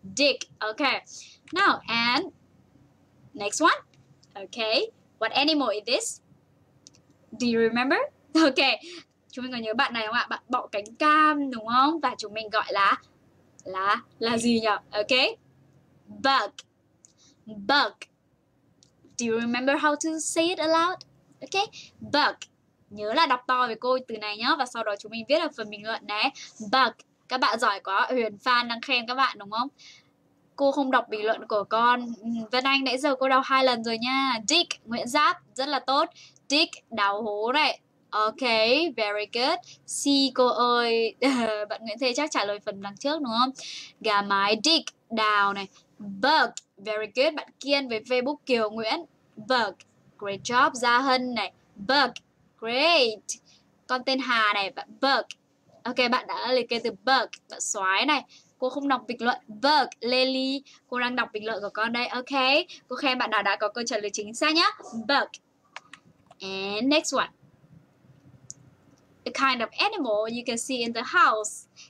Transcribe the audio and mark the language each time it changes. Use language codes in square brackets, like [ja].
[en] Dig. Ok. Now, and next one. Ok. What animal is this? Do you remember? Ok. [vi] Chúng mình có nhớ bạn này không ạ? Bạn bọ cánh cam đúng không? Và chúng mình gọi là gì nhỉ? [en] Ok. Bug. Bug. Do you remember how to say it aloud? Ok, bug. [vi] Nhớ là đọc to với cô từ này nhá. Và sau đó chúng mình viết ở phần bình luận nhé. Bug. Các bạn giỏi quá. Huyền Phan đang khen các bạn đúng không? Cô không đọc bình luận của con. Vân Anh nãy giờ cô đọc hai lần rồi nha. Dick, Nguyễn Giáp, rất là tốt. Dick, đào hố này. Ok, [en] very good. [vi] C, cô ơi. Bạn Nguyễn Thê chắc trả lời phần đằng trước đúng không? Gà mái, Dick, đào này. Bug, [en] very good. [vi] Bạn Kiên với Facebook Kiều Nguyễn. [en] Bug, great job. Gia Hân này, bug, great. [vi] Con tên Hà này, bạn bug. Ok, bạn đã liệt kê từ bug. Bạn Soái này, cô không đọc bình luận. Bug, Lily, cô đang đọc bình luận của con đây. Ok, cô khen bạn nào đã có câu trả lời chính xác nhá. [en] Bug. And next one. The kind of animal you can see in the house.